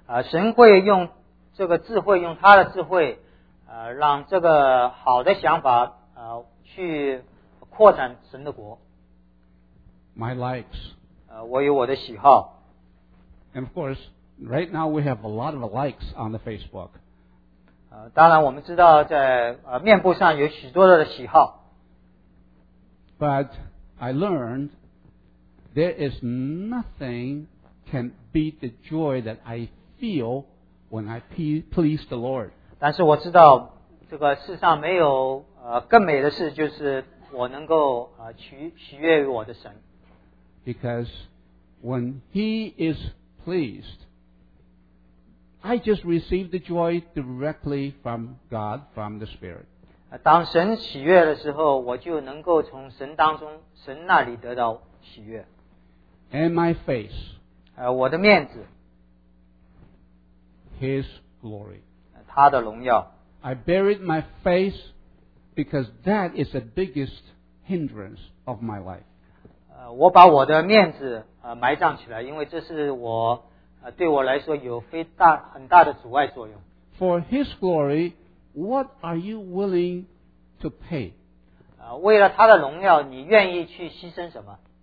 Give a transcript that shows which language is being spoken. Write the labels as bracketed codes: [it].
[zh] 神会用这个智慧，用他的智慧让这个好的想法去扩展神的国。 [en] My likes. [zh] 我有我的喜好。 [en] And of course, right now we have a lot of likes on the Facebook. [zh] 当然我们知道在面部上有许多的喜好。 [en] But I learned there is nothing can beat the joy that I feel when I please the Lord. [zh] 但是我知道这个世上没有更美的事，就是我能够取悦于我的神。 [en] Because when he is pleased, I just receive the joy directly from God, from the Spirit. [zh] 当神喜悦的时候，我就能够从神当中，神那里得到喜悦。 [en] And my face. [zh] 我的面子。 [en] His glory. [zh] 他的荣耀。 [en] I buried my face because that is the biggest hindrance of my life. [zh] 我把我的面子埋葬起来，因为这是我对我来说有很大的阻碍作用。 [en] For his glory, what are you willing to pay? [zh] 为了他的荣耀，你愿意去牺牲什么？